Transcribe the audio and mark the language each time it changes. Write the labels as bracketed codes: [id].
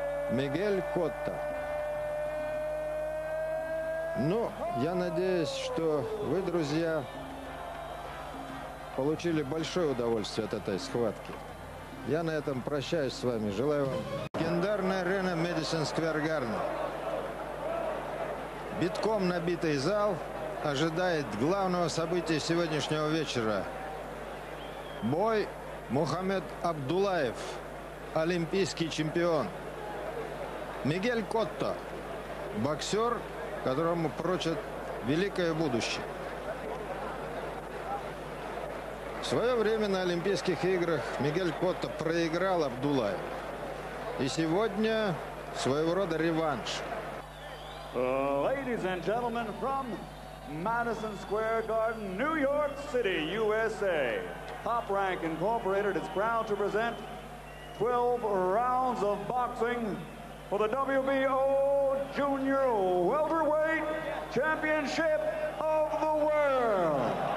[ru] Мигель Котто. Ну, я надеюсь, что вы, друзья, получили большое удовольствие от этой схватки. Я на этом прощаюсь с вами. Желаю вам... Легендарная арена Madison Square Garden. Битком набитый зал ожидает главного события сегодняшнего вечера. Бой Мухаммед Абдуллаев, олимпийский чемпион. Мигель Котто, боксер, которому прочат великое будущее. В свое время на Олимпийских играх Мигель Котто проиграл Абдуллаев. И сегодня своего рода реванш. [en] Ladies and gentlemen from Madison Square Garden, New York City, USA. Top Rank Incorporated is proud to present 12 rounds of boxing for the WBO Junior Welterweight Championship of the World.